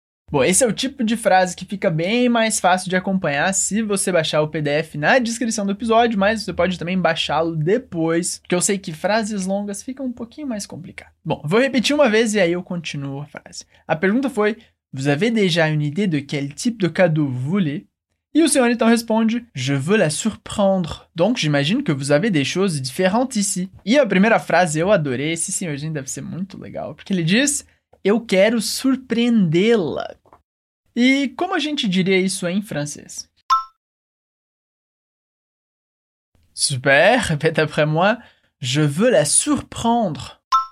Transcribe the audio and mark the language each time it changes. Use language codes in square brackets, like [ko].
[pt] Bom, esse é o tipo de frase que fica bem mais fácil de acompanhar se você baixar o PDF na descrição do episódio, mas você pode também baixá-lo depois, porque eu sei que frases longas ficam um pouquinho mais complicadas. Bom, vou repetir uma vez e aí eu continuo a frase. A pergunta foi, [fr] vous avez déjà une idée de quel type de cadeau vous voulez? [pt] E o senhor então responde, [fr] je veux la surprendre. Donc, j'imagine que vous avez des choses différentes ici. [pt] E a primeira frase, eu adorei, esse senhorzinho deve ser muito legal, porque ele diz... Eu quero surpreendê-la. E como a gente diria isso em francês? [fr] Super, répète après moi. Je veux la surprendre.